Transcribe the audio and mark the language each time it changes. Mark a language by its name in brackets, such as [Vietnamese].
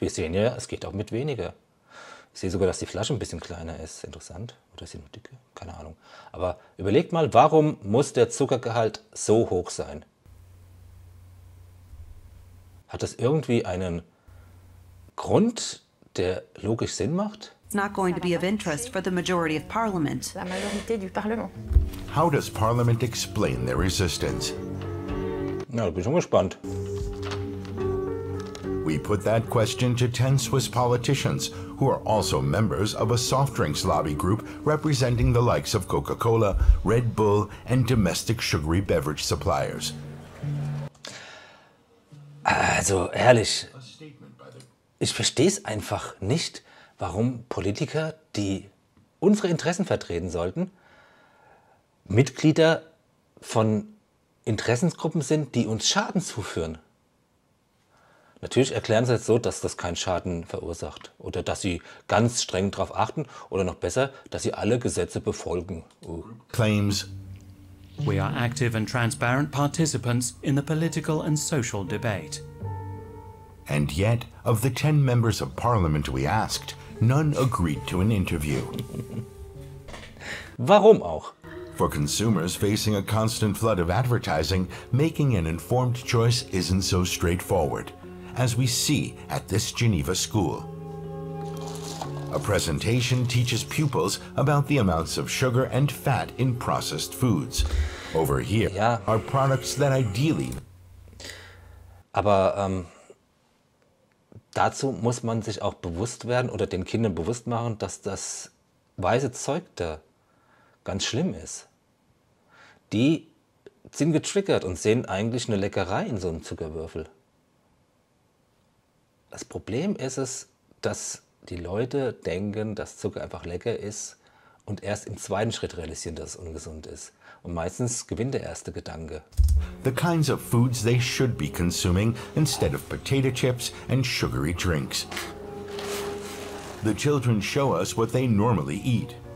[German] Wir sehen ja, es geht auch mit weniger. Ich sehe sogar, dass die Flasche ein bisschen kleiner ist. Interessant. Oder ist sie nur dicke? Keine Ahnung. Aber überlegt mal, warum muss der Zuckergehalt so hoch sein? Hat das irgendwie einen Grund, der logisch Sinn macht? [English] It's not going to be of interest for the majority of parliament. [French] La majorité du parlement. [English] How does parliament explain their resistance? [German] Na, da bin ich schon gespannt. [English] We put that question to 10 Swiss politicians, who are also members of a soft drinks lobby group representing the likes of Coca-Cola, Red Bull and domestic sugary beverage suppliers. [German] Also, ehrlich, ich versteh's einfach nicht. Warum Politiker, die unsere Interessen vertreten sollten, Mitglieder von Interessensgruppen sind, die uns Schaden zuführen. Natürlich erklären sie jetzt so, dass das keinen Schaden verursacht oder dass sie ganz streng darauf achten oder noch besser, dass sie alle Gesetze befolgen. [English] Claims. We are active and transparent participants in the political and social debate. And yet, of the 10 members of parliament we asked, none agreed to an interview. [German] Warum auch? [English] For consumers facing a constant flood of advertising, making an informed choice isn't so straightforward, as we see at this Geneva school. A presentation teaches pupils about the amounts of sugar and fat in processed foods. Over here are products that ideally... [German] Aber, dazu muss man sich auch bewusst werden oder den Kindern bewusst machen, dass das weiße Zeug da ganz schlimm ist. Die sind getriggert und sehen eigentlich eine Leckerei in so einem Zuckerwürfel. Das Problem ist es, dass die Leute denken, dass Zucker einfach lecker ist und erst im zweiten Schritt realisieren, dass es ungesund ist. Und meistens gewinnt der erste Gedanke. [English] The kinds of foods they should be consuming instead of potato chips and sugary drinks. The children show us what they normally eat.